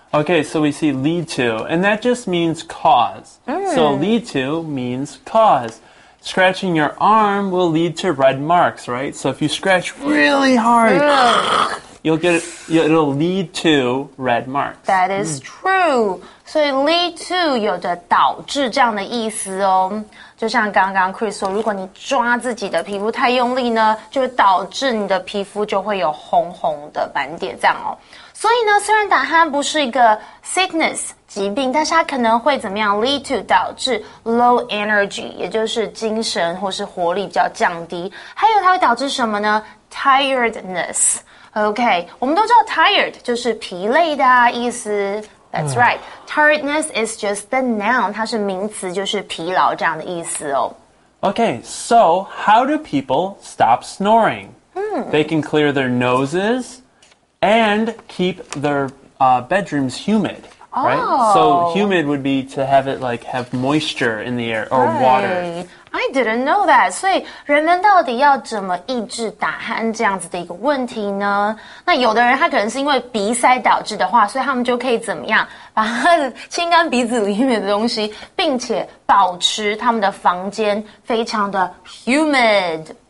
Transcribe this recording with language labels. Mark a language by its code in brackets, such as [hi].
[en] OK, so we see lead to, and that just means cause. So lead to means cause. Scratching your arm will lead to red marks, right? So if you scratch really hard, you'll get it'll lead to red marks. That is true. [zh] 所以 lead to 有着导致这样的意思哦，就像刚刚 Chris 说，如果你抓自己的皮肤太用力呢，就会导致你的皮肤就会有红红的斑点这样哦。所以呢，虽然打鼾不是一个 sickness 疾病，但是它可能会怎么样 lead to 导致 low energy， 也就是精神或是活力比较降低，还有它会导致什么呢 ？Tiredness。 OK， 我们都知道 tired 就是疲累的、意思。 [en] That's right. Tiredness is just the noun. [zh] 它是名词，就是疲劳这样的意思哦。 [en] Okay, so how do people stop snoring? They can clear their noses and keep their bedrooms humid. Right? So humid would be to have it like have moisture in the air or water. I didn't know that. [zh] 所以人们到底要怎么抑制打鼾这样子的一个问题呢？那有的人他可能是因为鼻塞导致的话，所以他们就可以怎么样把他的清干鼻子里面的东西，并且保持他们的房间非常的 humid.